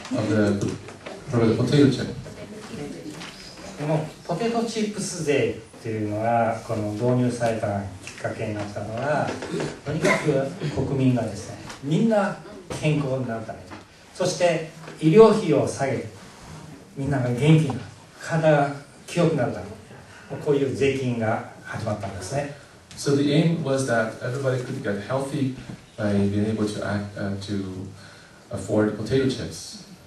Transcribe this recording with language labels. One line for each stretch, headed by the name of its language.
English: of the for the potato chip.
Japanese: このポテトチップス税というのがこの導入されたきっかけになったのは、とにかく国民がですね、みんな健康になるために、そして医療費を下げる、みんなが元気になる、体が強くなるために、こういう税金が始まったんですね。
English: So the aim was that everybody could get healthy by being able to, to afford potato chips.